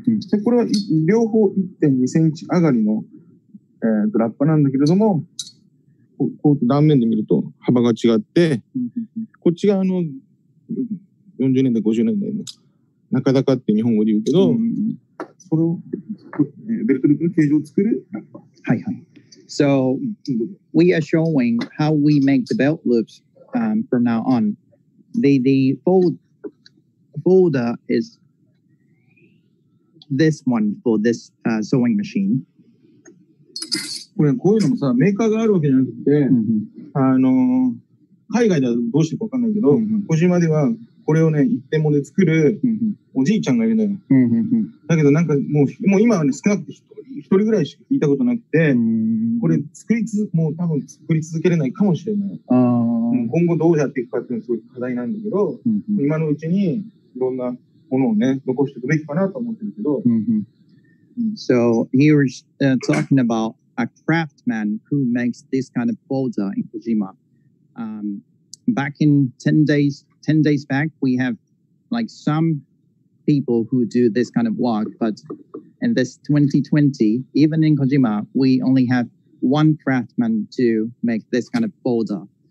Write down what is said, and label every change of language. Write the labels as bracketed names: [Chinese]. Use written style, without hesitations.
[Japanese] でこれは両方 1.2 センチ上がりの、ラッパなんだけれども、こう断面で見ると幅が違って、こっち側の40年代、50年代の中高って日本語で言うけど、それをベルトループの形状を作るラッパ。はいはい。 [English] So we are showing how we make the belt loops from now on. The folder is this one for this sewing machine. [Japanese] これこういうのもさ、メーカーがあるわけじゃなくて、mm-hmm. 海外ではどうしてかわかんないけど、mm-hmm. 小島ではこれをね、一点もで作るおじいちゃんがいるのよ。 Mm-hmm. だけどなんかもう今はね、少なくて一人ぐらいしか聞いたことなくて、これ作りもう多分作り続けれないかもしれない。今後どうやっていくかっていうのがすごい課題なんだけど、今のうちにいろんなものをね、残していくべきかなと思ってるけど。 [English] So, he was talking about a craftsman who makes this kind of folder in Kojima. Back in 10 days back, we have like some people who do this kind of work, but in this 2020, even in Kojima, we only have one craftsman to make this kind of folder.